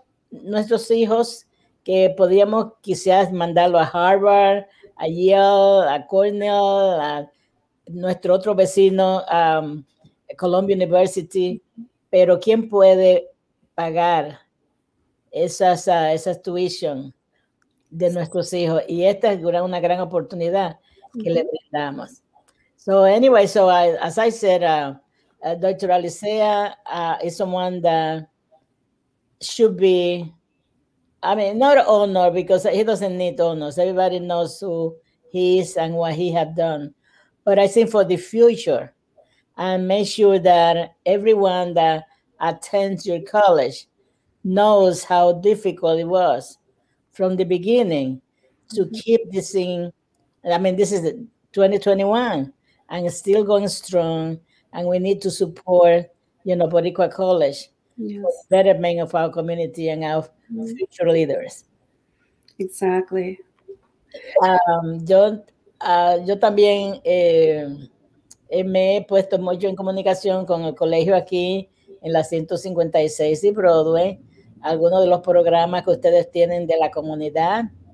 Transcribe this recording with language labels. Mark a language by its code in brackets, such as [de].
[es] nuestros hijos que podríamos quizás mandarlo a Harvard, a Yale, a Cornell, a nuestro otro vecino, Columbia University, pero ¿quién puede pagar esas tuition de nuestros hijos? Y esta es una gran oportunidad que le brindamos. [en] So anyway, so I, as I said, Dr. Alicea is someone that should be, I mean, not honored, because he doesn't need honors. Everybody knows who he is and what he has done. But I think for the future, and make sure that everyone that attends your college knows how difficult it was from the beginning to keep this thing. I mean, this is 2021 and it's still going strong, and we need to support, you know, Boricua College, yes, for the betterment of our community and our future leaders. Exactly. [es] Yo también me he puesto mucho en comunicación con el colegio aquí en la 156 y Broadway. Algunos de los programas que ustedes tienen de la comunidad.